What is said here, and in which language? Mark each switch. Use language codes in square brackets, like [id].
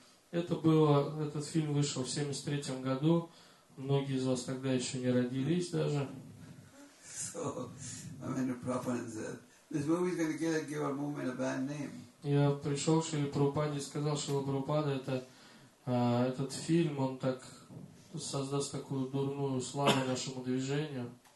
[ru] Этот фильм вышел в 73 году. Многие из вас тогда еще не родились даже. [en] So, Ananda Prabhupada said, this movie is going to give our movement a bad name. [ru] Я пришел к Шиле Прабхупаде и сказал, что Прабхупада, это этот фильм, он так создаст такую дурную славу нашему движению.